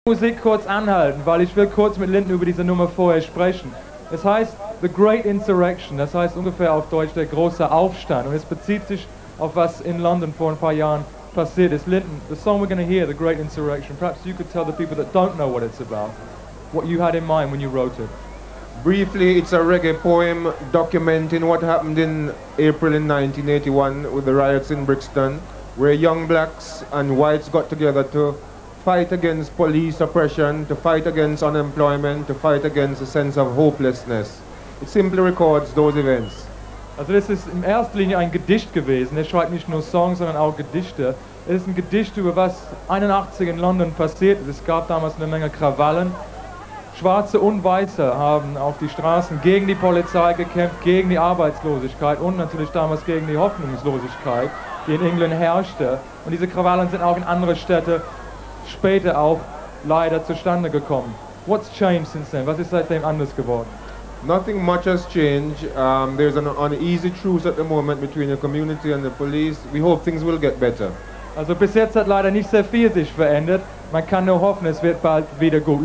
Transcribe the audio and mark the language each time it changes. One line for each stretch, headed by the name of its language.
German: Musik kurz anhalten, weil ich will kurz mit Linton über diese Nummer vorher sprechen. Es heißt The Great Insoreckshan, das heißt ungefähr auf Deutsch der große Aufstand. Und es bezieht sich auf was in London vor ein paar Jahren passiert ist.
English: Linton, the song we're going to hear, The Great Insoreckshan, perhaps you could tell the people that don't know what it's about, what you had in mind when you wrote it. Briefly, it's a reggae poem documenting what happened in April in 1981 with the riots in Brixton, where young blacks and whites got together to fight against police oppression, to fight against unemployment, to fight against a sense of hopelessness. It simply records those events.
German: Also das ist in erster Linie ein Gedicht gewesen. Er schreibt nicht nur Songs, sondern auch Gedichte. Es ist ein Gedicht über was 81 in London passiert ist. Es gab damals eine Menge Krawallen. Schwarze und Weiße haben auf die Straßen gegen die Polizei gekämpft, gegen die Arbeitslosigkeit und natürlich damals gegen die Hoffnungslosigkeit, die in England herrschte. Und diese Krawallen sind auch in andere Städte später auch leider zustande gekommen.
English: What's changed since then?
German: Was ist seitdem anders geworden?
English: Nothing much has changed. There's an uneasy truce at the moment between the community and the police. We hope things will get better.
German: Also bis jetzt hat leider nicht sehr viel sich verändert. Man kann nur hoffen, es wird bald wieder gut.